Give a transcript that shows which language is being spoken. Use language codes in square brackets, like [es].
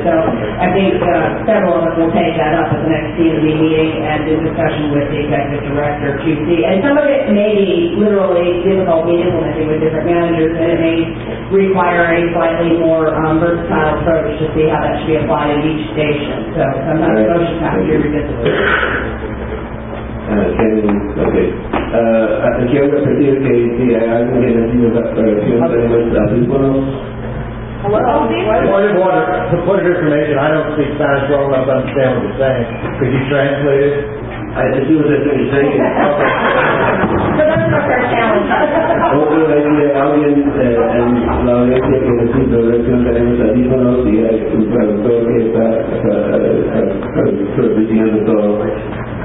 [en] So I think several of us will take that up at the next CMB meeting and do discussion with the executive director, QC. And some of it may be literally difficult to implement with different managers, and it may require a slightly more versatile approach to see how that should be applied in each station. So I'm not sure she's going to be revisited. Okay. [es] Aquí otra pregunta que dice, ¿hay alguien que necesita la operación de nuestros audífonos? [en] Point of order, for point of information, I don't speak Spanish well enough to understand what you're saying. Could you translate it? I see what they're doing. Thank you. So that's not our challenge. Hopefully, the audience and [es] la audiencia que necesita la operación de nuestros audífonos y hay un traductor que está traduciendo todo.